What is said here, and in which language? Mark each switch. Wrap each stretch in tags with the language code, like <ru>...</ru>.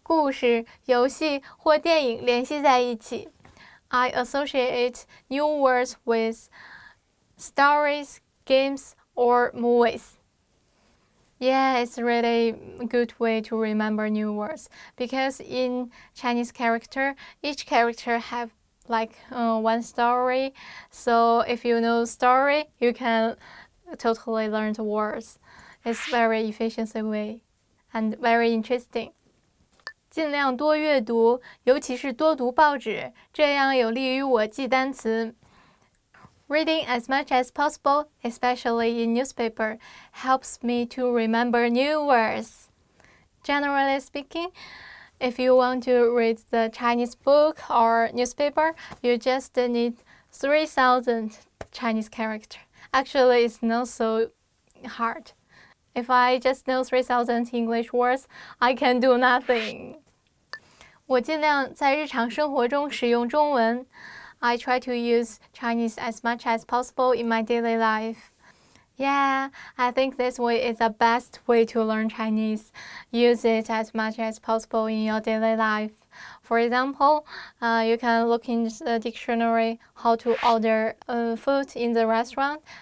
<zh>我把新学的词和故事、游戏或电影联系在一起。</zh> <en>I associate new words with stories, games, or movies. Yeah, it's really good way to remember new words. Because in Chinese character, each character have like one story. So if you know story, you can totally learn the words. It's very efficient way and very interesting.</en> <zh>尽量多阅读，尤其是多读报纸，这样有利于我记单词。</zh> <en>Reading as much as possible, especially in newspaper, helps me to remember new words. Generally speaking, if you want to read the Chinese book or newspaper, you just need 3,000 Chinese characters. Actually, it's not so hard. If I just know 3,000 English words, I can do nothing.</en> <zh>我尽量在日常生活中使用中文。</zh> <en>I try to use Chinese as much as possible in my daily life. Yeah, I think this way is the best way to learn Chinese. Use it as much as possible in your daily life. For example, you can look in the dictionary how to order food in the restaurant.</en>